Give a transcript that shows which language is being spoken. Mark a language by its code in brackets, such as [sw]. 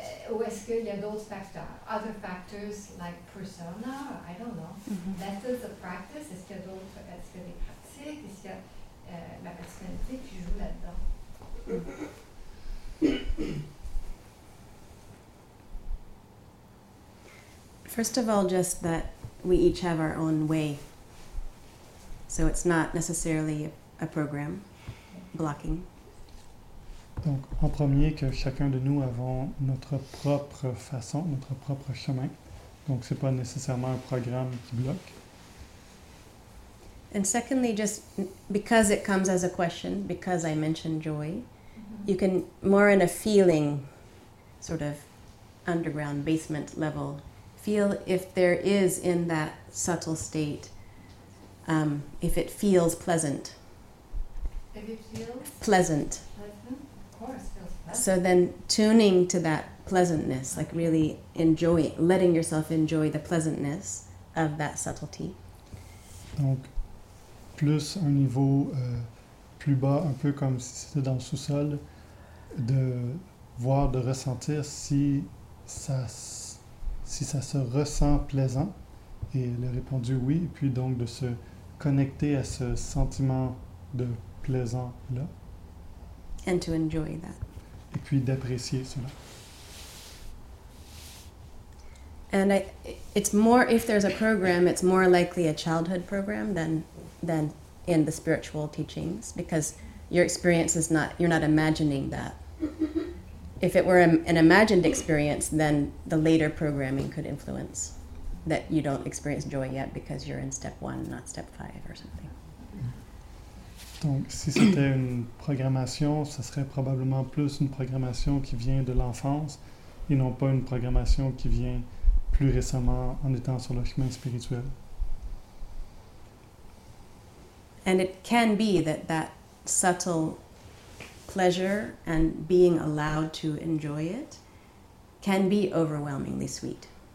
[fr] ou est-ce qu'il y a d'autres facteurs? [en] Other factors like persona, I don't know. [fr] Mm-hmm. [en] Methods of practice, [fr] est-ce qu'il y a d'autres, est-ce qu'il y a des pratiques? Est-ce qu'il y a la personnalité qui joue là-dedans? [en] First of all, just that we each have our own way. So it's not necessarily a program blocking. [fr] Donc, en premier, que chacun de nous avons notre propre façon, notre propre chemin. Donc, c'est pas nécessairement un programme qui bloque. [en] And secondly, just because it comes as a question, because I mentioned joy, you can more in a feeling, sort of underground basement level, feel if there is in that subtle state, if it feels pleasant. If it feels pleasant. Of course, feels pleasant. So then tuning to that pleasantness, like really enjoying, letting yourself enjoy the pleasantness of that subtlety. [fr] Donc, plus un niveau plus bas, un peu comme si c'était dans le sous-sol, de voir, de ressentir si ça se ressent plaisant. Et elle a répondu oui, et puis donc de se connecter à ce sentiment de plaisant-là. [en] And to enjoy that. [fr] Et puis d'apprécier cela. [en] And it's more, if there's a program, it's more likely a childhood program than in the spiritual teachings, because your experience is not, you're not imagining that. If it were an imagined experience, then the later programming could influence that you don't experience joy yet because you're in step one, not step five or something. [fr] Donc, si c'était une programmation, ce serait probablement plus une programmation qui vient de l'enfance et non pas une programmation qui vient plus récemment en étant sur le chemin spirituel. [en] And it can be that subtle pleasure and being allowed to enjoy it can be overwhelmingly sweet.